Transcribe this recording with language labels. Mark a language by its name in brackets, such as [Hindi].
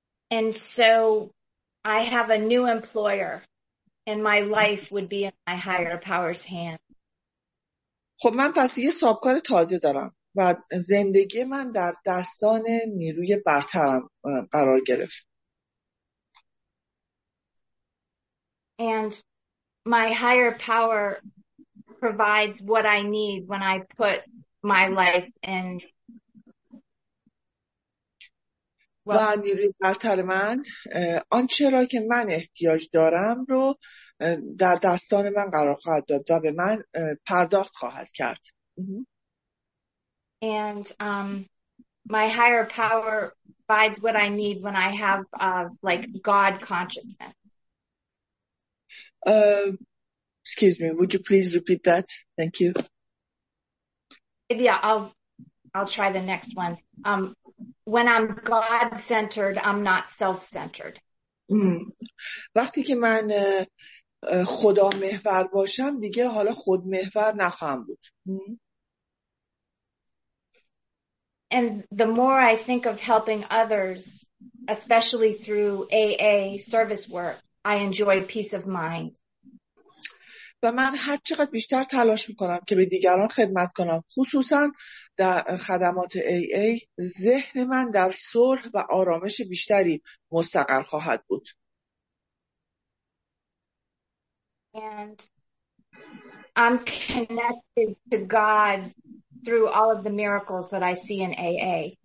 [English] And so I have a new employer, and my life would be in my higher power's hand. [Persian] خب من پس یه سابکار تازه دارم و زندگی من در دستان نیروی برترم قرار گرفت. [English] And my higher power provides what I need when I put my life in. [Persian] و نیروی برتر من آنچه را که من احتیاج دارم رو در دستان من قرار خواهد داد و به من پرداخت خواهد کرد. [English] And my higher power provides what I need when I have like God consciousness. Excuse me, would you please repeat that? Thank you. Yeah, I'll try the next one. When I'm God-centered, I'm not self-centered. [Persian] وقتی که من خدا محور باشم دیگه حالا خود محور نخواهم بود. [English] And the more I think of helping others, especially through AA service work, I enjoy peace of mind. [Persian] و من هر چقدر بیشتر تلاش میکنم که به دیگران خدمت کنم، خصوصا در خدمات AA، ذهن من در صلح و آرامش بیشتری مستقر خواهد بود. [English] And I'm connected to God through all of the miracles that I see in AA.